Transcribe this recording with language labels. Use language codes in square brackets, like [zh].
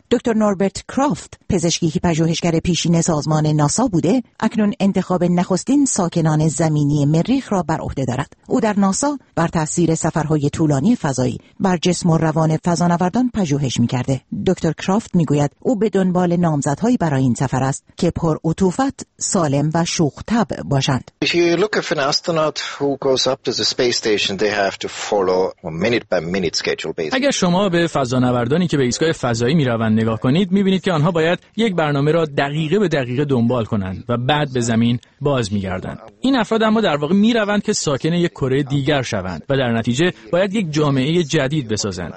[fa] دکتر نوربرت کرافت، پزشکی پژوهشگر پیشین سازمان ناسا بوده، اکنون انتخاب نخستین ساکنان زمینی مریخ را بر عهده دارد. او در ناسا بر تأثیر سفرهای طولانی فضایی بر جسم و روان فضانوردان پژوهش می‌کرده. دکتر کرافت می‌گوید او به دنبال نامزدهایی برای این سفر است که پر عطوفت، سالم و شوخ‌طبع باشند. [en] If you look at an astronaut who goes up to the space station, they have to follow a minute by minute schedule basically. [fa] اگر شما به فضانوردانی که به ایستگاه فضایی می روند نگاه کنید، می‌بینید که آنها باید یک برنامه را دقیقه به دقیقه دنبال کنند و بعد به زمین باز می‌گردند. این افراد اما در واقع می‌روند که ساکن یک کره دیگر شوند و در نتیجه باید یک جامعه جدید بسازند.